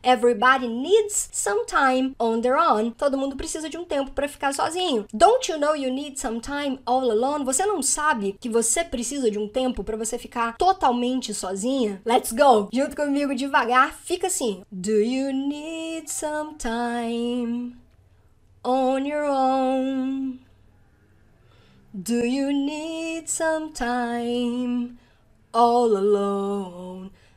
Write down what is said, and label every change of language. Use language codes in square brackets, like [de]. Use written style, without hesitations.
[en] Everybody needs some time on their own. [pt] Todo mundo precisa de um tempo pra ficar sozinho. [en] Don't you know you need some time all alone? [pt] Você não sabe que você precisa de um tempo pra você ficar totalmente sozinha? [en] Let's go! [pt] Junto comigo, devagar, fica assim. [en] Do you need some time on your own? Do you need some time all alone?